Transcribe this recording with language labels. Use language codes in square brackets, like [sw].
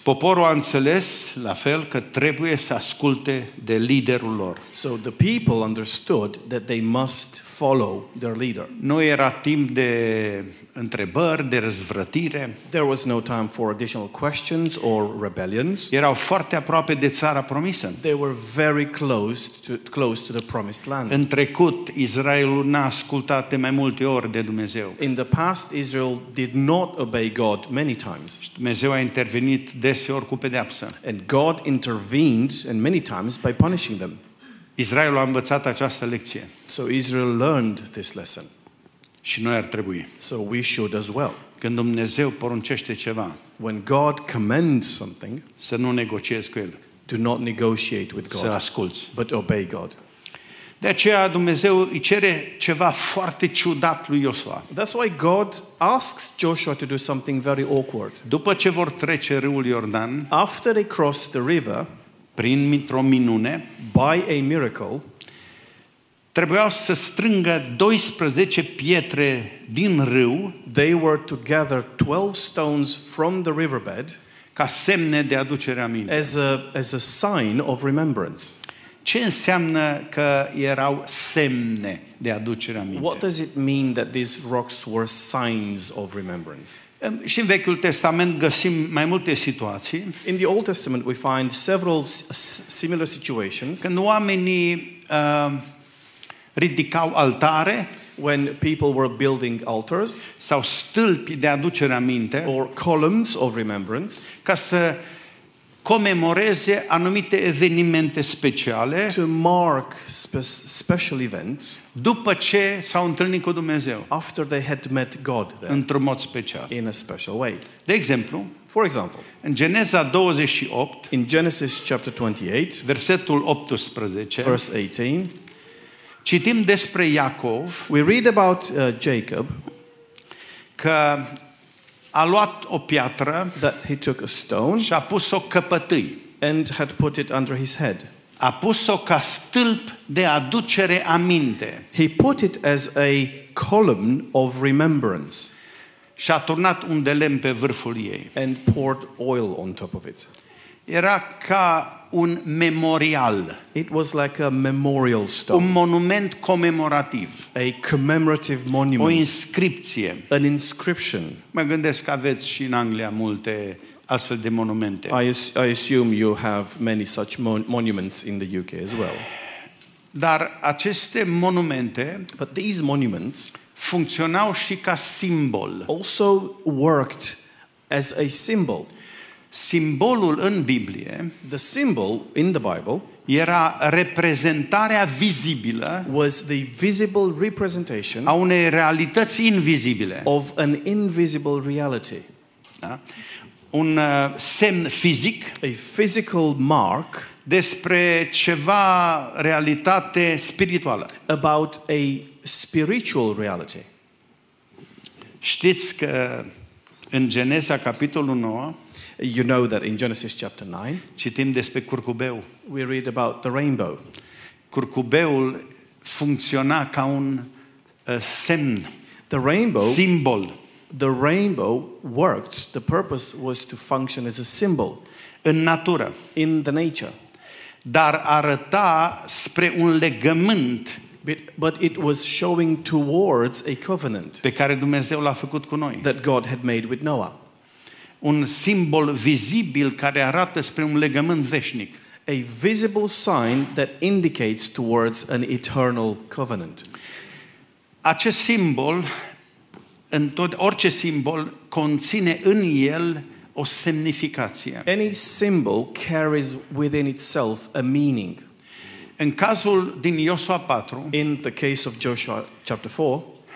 [ro] Poporul a înțeles la fel că trebuie să asculte de liderul lor. [en] So the people understood that they must follow their leader. [ro] Nu era timp de întrebări, de răzvrătire. [en] There was no time for additional questions or rebellions. [ro] Erau foarte aproape de țara promisă. [en] They were very close to the promised land. [ro] În trecut, Israelul n-a ascultat de mai multe ori de Dumnezeu. [en] In the past, Israel did not obey God many times. [ro] Dumnezeu a intervenit deseori cu pedeapsă. [en] And God intervened and many times by punishing them. [ro] Israelul a învățat această lecție. [en] So Israel learned this lesson. [ro] Și noi ar trebui. [en] So we should as well. [ro] Când Dumnezeu poruncește ceva, [en] when God commands something, [ro] să nu negociezi cu El. [en] Do not negotiate with God. [ro] Să asculți. [en] But obey God. [ro] De aceea Dumnezeu îi cere ceva foarte ciudat lui Iosua. [en] That's why God asks Joshua to do something very awkward. [ro] După ce vor trece râul Iordan, [en] after they cross the river, [ro] printr-o minune, [en] by a miracle, [ro] trebuiau să strângă 12 pietre din râu, [en] they were to gather 12 stones from the riverbed, [ro] ca semne de aducere aminte. [en] As a sign of remembrance. [ro] Ce înseamnă că erau semne de aducere aminte? [en] What does it mean that these rocks were signs of remembrance? [ro] Și în Vechiul Testament găsim mai multe situații. [en] In the Old Testament we find several similar situations. [ro] Când oamenii ridicau altare, [en] when people were building altars, [ro] sau stâlpi de aducere aminte, [en] or columns of remembrance, [ro] ca să comemoreze anumite evenimente speciale, [en] to mark special events, [ro] după ce s-au întâlnit cu Dumnezeu, [en] after they had met God, [ro] într-un mod special, [en] in a special way. [ro] De exemplu, [en] for example, [ro] în Geneza 28, [en] in Genesis chapter 28, [ro] versetul 18, [en] verse 18, [ro] citim despre Iacov, [en] we read about Jacob, [ro] că a luat o piatră, [en] that he took a stone, [ro] și a pus-o căpătâi, [en] and had put it under his head. [ro] A pus-o ca stâlp de aducere aminte. [en] He put it as a column of remembrance. [ro] Și a turnat un de lemn pe vârful ei. [en] And poured oil on top of it. [ro] Era ca un memorial. [en] It was like a memorial stone. [ro] Un monument comemorativ. [en] A commemorative monument. [ro] O inscripție. [en] An inscription. [ro] Mă gândesc că aveți și în Anglia multe astfel de monumente. [en] I assume you have many such monuments in the UK as well. [ro] Dar aceste monumente, [en] but these monuments, [ro] funcționau și ca simbol. [en] Also worked as a symbol. [ro] Simbolul în Biblie, [en] the symbol in the Bible, [ro] era reprezentarea vizibilă, [en] was the visible representation, [ro] a unei realități invizibile, [en] of an invisible reality, [ro] da? Un semn fizic, [en] a physical mark, [ro] despre ceva realitate spirituală, [en] about a spiritual reality. [ro] Știți că în Geneza capitolul 9, [en] you know that in Genesis chapter 9, [ro] citim despre curcubeu. [en] We read about the rainbow. [ro] Curcubeul funcționa ca un semn. [en] The rainbow, [ro] simbol. [en] The rainbow worked. The purpose was to function as a symbol. [ro] În natură. [en] In the nature. [ro] Dar arăta spre un legământ. [en] But it was showing towards a covenant. [ro] Pe care Dumnezeu l-a făcut cu noi. [en] That God had made with Noah. [ro] Un simbol vizibil care arată spre un legământ veșnic. [en] A visible sign that indicates towards an eternal covenant. [ro] Acest simbol, orice simbol, conține în el o semnificație. [en] Any symbol carries within itself a meaning. [ro] În cazul din Iosua 4, [en] in the case of Joshua chapter 4,